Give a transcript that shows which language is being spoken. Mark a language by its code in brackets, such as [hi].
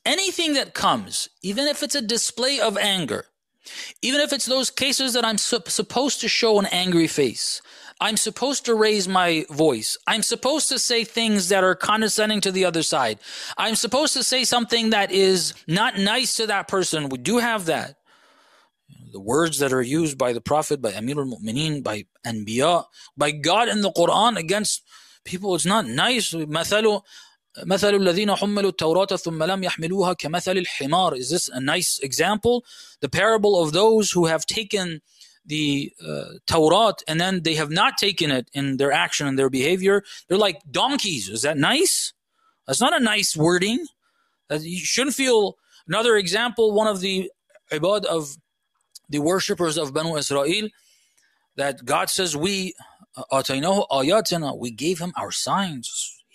[en] Anything that comes, even if it's a display of anger, even if it's those cases that I'm supposed to show an angry face, I'm supposed to raise my voice, I'm supposed to say things that are condescending to the other side, I'm supposed to say something that is not nice to that person, we do have that. The words that are used by the Prophet, by Amir al-Mu'mineen, by Anbiya, by God in the Quran against people, it's not nice. [ar] مثل الذين حملوا التوراة ثم لم يحملوها كمثل الحمار. [en] Is this a nice example? The parable of those who have taken the Torah and then they have not taken it in their action and their behavior. They're like donkeys. Is that nice? That's not a nice wording. You shouldn't feel. Another example, one of the ibad of the worshippers of Banu Israel, that God says, we atainahu ayatina, we gave him our signs.